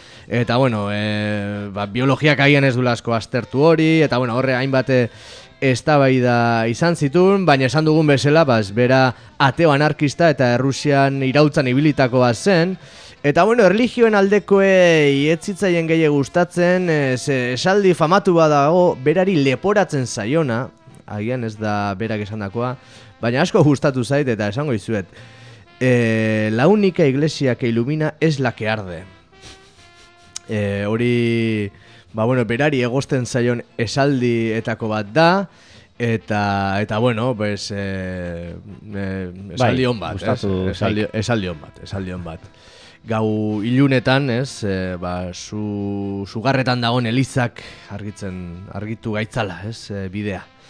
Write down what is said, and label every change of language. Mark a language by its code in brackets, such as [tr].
[eu] Eta bueno, ba, biologiak agian ez du asko aztertu hori eta bueno, horre hainbat eztabaida izan zitun, baina esan dugun bezala, ba, bera ateo anarkista eta Errusian irautzan ibilitako bat zen. Eta bueno, erlijioen aldekoei ez zitzaien gehiago gustatzen, esaldi famatu badago, berari leporatzen zaiona, agian ez da berak esandakoa, baina asko gustatu zait eta esango dizuet. [es] La única iglesia que ilumina es la que arde. [eu] Hori, ba bueno, berari egosten zaion esaldietako bat da. Eta bueno, pues esaldi on bat, esaldi on bat, esaldi on bat. Gau ilunetan, ez, ba, sugarretan dagoen elizak argitu gaitzala, ez, bidea.